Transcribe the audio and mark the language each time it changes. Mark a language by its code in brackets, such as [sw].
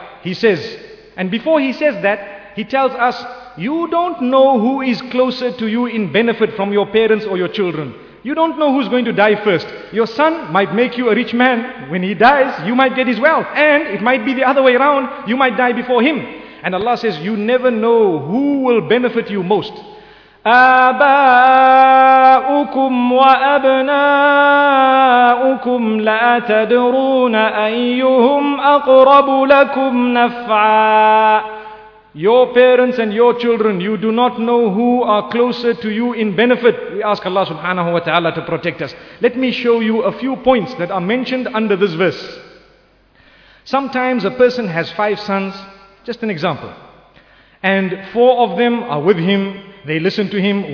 [en] He says, and before he says that, he tells us, you don't know who is closer to you in benefit from your parents or your children. You don't know who's going to die first. Your son might make you a rich man. When he dies, you might get his wealth. And it might be the other way around. You might die before him. And Allah says, you never know who will benefit you most. [ar] آباؤكم وأبناؤكم لا تدرون أيهم أقرب لكم نفعا. [en] Your parents and your children, you do not know who are closer to you in benefit. We ask Allah subhanahu wa ta'ala to protect us. Let me show you a few points that are mentioned under this verse. Sometimes a person has 5 sons, just an example, and 4 of them are with him. They listen to him.